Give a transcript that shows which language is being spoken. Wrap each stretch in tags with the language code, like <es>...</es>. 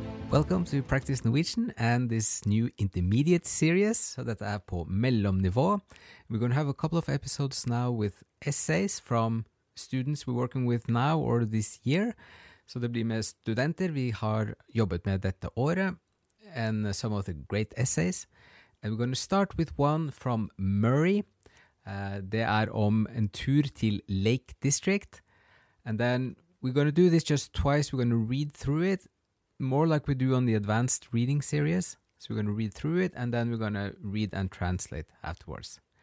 <en>Welcome to Practice Norwegian and this new intermediate series that I have for Mellomnivå. We're going to have a couple of episodes now with essays from students we're working with now or this year.</en> <no>So det blir med studenter vi har jobbet med dette året</no> <en>and some of the great essays. And we're going to start with one from Murray.</en> <no>Det om en tur til Lake District.</no> <en>And then we're going to do this just twice. We're going to read through it, more like we do on the advanced reading series. So we're going to read through it, and then we're going to read and translate afterwards.</en>